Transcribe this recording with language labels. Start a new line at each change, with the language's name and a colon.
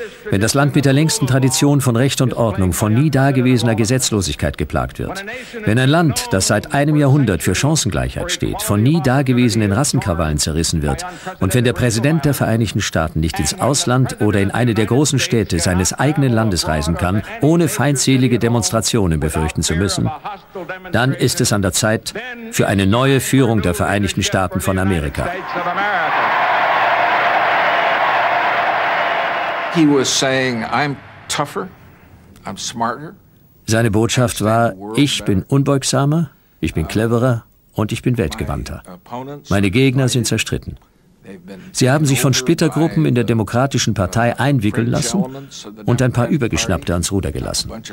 German: wenn das Land mit der längsten Tradition von Recht und Ordnung von nie dagewesener Gesetzlosigkeit geplagt wird, wenn ein Land, das seit einem Jahrhundert für Chancengleichheit steht, von nie dagewesenen Rassenkrawallen zerrissen wird und wenn der Präsident der Vereinigten Staaten nicht ins Ausland oder in eine der großen Städte seines eigenen Landes reisen kann, ohne feindselige Demonstrationen befürchten zu müssen, dann ist es an der Zeit für eine neue Führung der Vereinigten Staaten von Amerika.
English: He was saying, I'm tougher, I'm smarter.
German: Seine Botschaft war, ich bin unbeugsamer, ich bin cleverer und ich bin weltgewandter. Meine Gegner sind zerstritten. Sie haben sich von Splittergruppen in der Demokratischen Partei einwickeln lassen und ein paar Übergeschnappte ans Ruder gelassen.